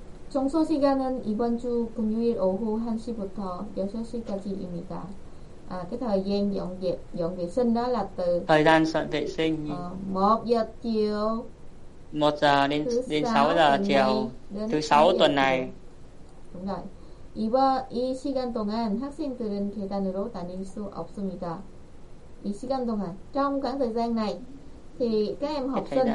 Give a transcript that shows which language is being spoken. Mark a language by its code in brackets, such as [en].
[vi] Chống xoa xí gan nên ibon chu cùng như ít ổ hù hàn xí bột thò giáo sơ xí gà chi ý mì ta. À, cái thời gian dọn dẹp dọn vệ sinh đó là từ thời gian dọn vệ sinh 1 giờ chiều đến 6 giờ chiều thứ 6 tuần này. Đúng rồi. [ko] 이번 이 시간 동안 학생들은 계단으로 다닐 수 없습니다. 이 시간 동안 [vi] trong khoảng thời gian này thì các em học sinh